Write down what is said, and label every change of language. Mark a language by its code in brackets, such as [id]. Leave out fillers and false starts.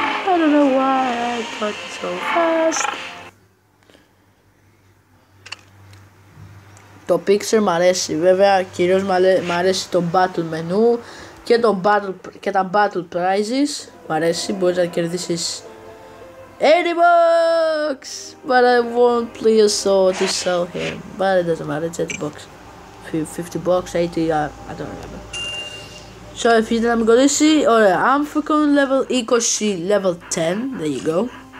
[en] I don't know why I talk so fast. [el] Το Pixar μ' αρέσει, βέβαια κυρίως μ' αρέσει το Battle Menu και, το battle, και τα Battle Prizes. Μ' αρέσει, μπορείς να κερδίσεις 80 bucks! [en] But I won't play a soul to sell him. But it doesn't matter, it's 80 bucks. 50 bucks, 80, I don't remember. So, if you didn't get this, alright, I'm fucking level 20, level 10, there you go.